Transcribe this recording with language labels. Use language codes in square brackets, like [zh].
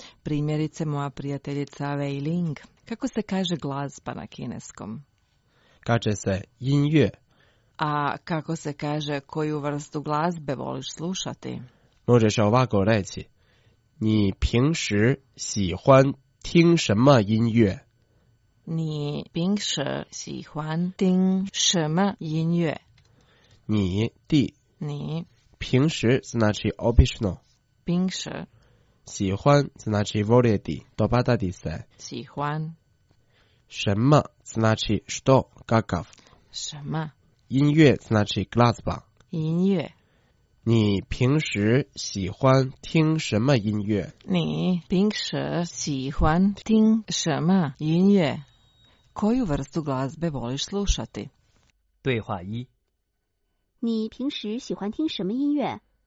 [hr] Primjerice moja prijateljica Wei Ling. Kako se kaže glazba na kineskom? Kaže se [zh] 音乐。 [hr] A kako se kaže koju vrstu glazbe voliš slušati? Možeš ovako reći. [zh] 你平时喜欢听什么音乐？你平时喜欢听什么音乐？你的你平时 [hr] znači [en] optional [zh] 平时喜欢 [hr] znači voljeti dopada ti se [zh] 喜欢什么 [hr] znači što kakav [zh] 什么音乐 [hr] znači glazba [zh] 音乐你平时喜欢听什么音乐？你平时喜欢听什么音乐？ [hr] Koju vrstu glazbe voliš slušati？ [zh] 对话一。你平时喜欢听什么音乐？